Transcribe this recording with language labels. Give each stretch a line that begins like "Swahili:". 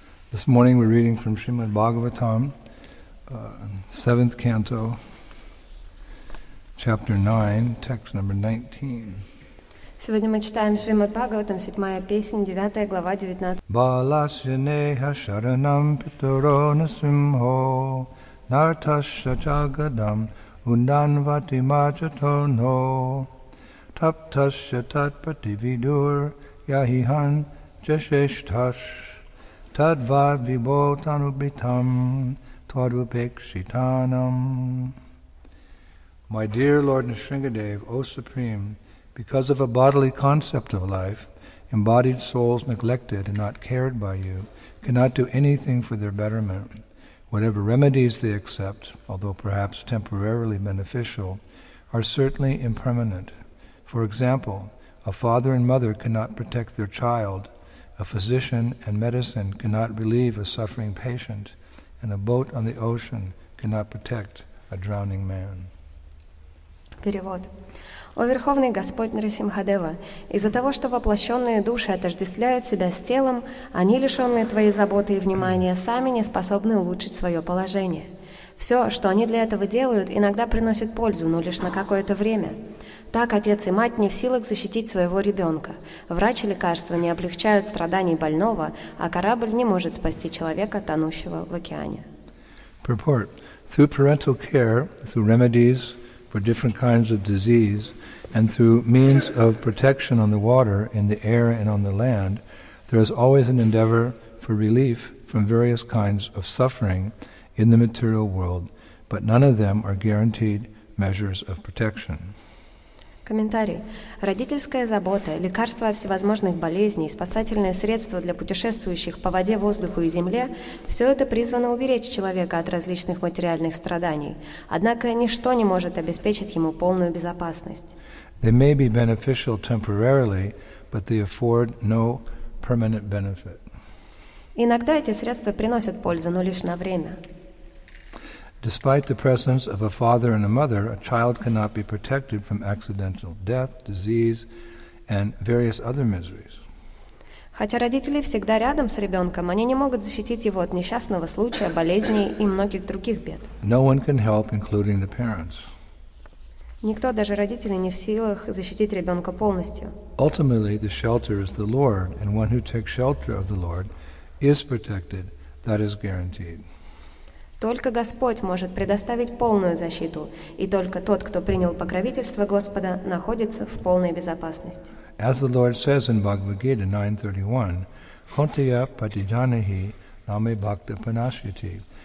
English: This morning we're reading from Srimad Bhagavatam, 7th canto, chapter 9, text number 19.
Russian: Сегодня мы читаем Шримад Бхагаватам, 7-я песня, 9-я глава, 19.
Sanskrit: Баласинеха шаранам питуро насимхо нарташа чагадам унданвати мачатоно тапташа татпати видур яхихан чешешташ Tadvavibhotanubhitam tvadvupekshitanam.
English: My dear Lord Nrisingadev, O Supreme, because of a bodily concept of life, embodied souls neglected and not cared by you cannot do anything for their betterment. Whatever remedies they accept, although perhaps temporarily beneficial, are certainly impermanent. For example, a father and mother cannot protect their child. A physician and medicine cannot relieve a suffering patient, and a boat on the ocean cannot protect a drowning man.
Russian: Перевод. О Верховный Господь Нрисимхадева, из-за того, что воплощенные души отождествляют себя с телом, они, лишенные твоей заботы и внимания, сами не способны улучшить свое положение. Все, что они для этого делают, иногда приносит пользу, но лишь на какое-то время. Так отец и мать не в силах защитить своего ребенка. Врач и лекарства не облегчают страданий больного, а корабль не может спасти человека, тонущего в океане.
English: Purport. Through parental care, through remedies for different kinds of disease, and through means of protection on the water, in the air and on the land, there is always an endeavor for relief from various kinds of suffering in the material world, but none of them are guaranteed measures of protection.
Russian: Комментарий. Родительская забота, лекарства от всевозможных болезней, спасательные средства для путешествующих по воде, воздуху и земле – все это призвано уберечь человека от различных материальных страданий. Однако ничто не может обеспечить ему полную безопасность.
English: They may be beneficial temporarily, but they afford no permanent benefit.
Russian: Иногда эти средства приносят пользу, но лишь на время.
English: Despite the presence of a father and a mother, a child cannot be protected from accidental death, disease, and various other miseries.
Russian: Хотя родители всегда рядом с ребенком, они не могут защитить его от несчастного случая, болезней и многих других бед.
English: No one can help, including the parents.
Russian: Никто, даже родители, не в силах защитить ребенка полностью.
English: Ultimately, the shelter is the Lord, and one who takes shelter of the Lord is protected. That is guaranteed.
Russian: Только Господь может предоставить полную защиту, и только тот, кто принял покровительство Господа, находится в полной безопасности.
English: As the Lord says in Bhagavad Gita 9:31,
Sanskrit: Kuntiya patijanahi name bhakta panashyati.